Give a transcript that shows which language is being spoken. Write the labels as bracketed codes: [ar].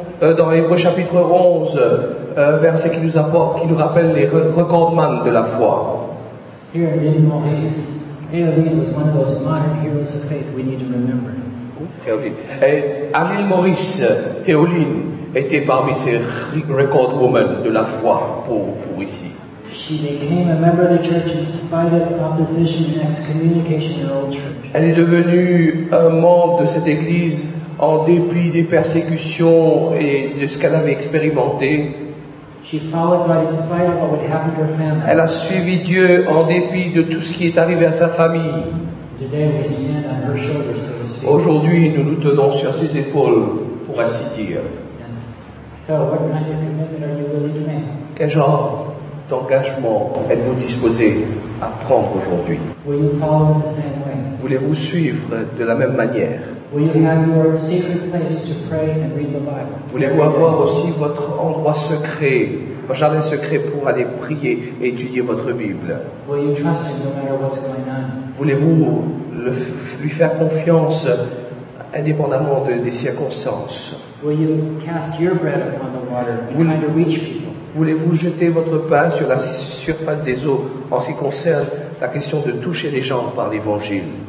[fr] dans Hébreux chapitre 11 un verset qui nous rappelle les recordman de la foi. [en] Here in Lynn Maurice, Aileen was one of those modern heroes of faith we need to remember. [fr] Aileen Maurice, Théoline, était parmi ces record women de la foi pour ici. [en] She became a member of the church in spite of opposition and excommunication in the old church. [fr] Elle est devenue un membre de cette église en dépit des persécutions et de ce qu'elle avait expérimenté. [en] She followed God in spite of what would happen to her family. [fr] Elle a suivi Dieu en dépit de tout ce qui est arrivé à sa famille. [en] Today we stand on her shoulders, so to speak. [fr] Aujourd'hui, nous nous tenons sur ses épaules, pour ainsi dire. [en] Yes. So, what kind of commitment are you willing to make? [fr] Quel genre d'engagement êtes-vous disposé à prendre aujourd'hui? [en] Will you follow in the same way? [fr] Voulez-vous suivre de la même manière? [en] Will you have your secret place to pray and read the Bible? [fr] Voulez-vous avoir aussi votre endroit secret, un jardin secret pour aller prier et étudier votre Bible? [en] Will you trust him no matter what's going on? [fr] Voulez-vous lui faire confiance indépendamment des circonstances? [en] Will you cast your bread upon the water and try to reach people? [fr] Voulez-vous jeter votre pain sur la surface des eaux en ce qui concerne la question de toucher les gens par l'Évangile?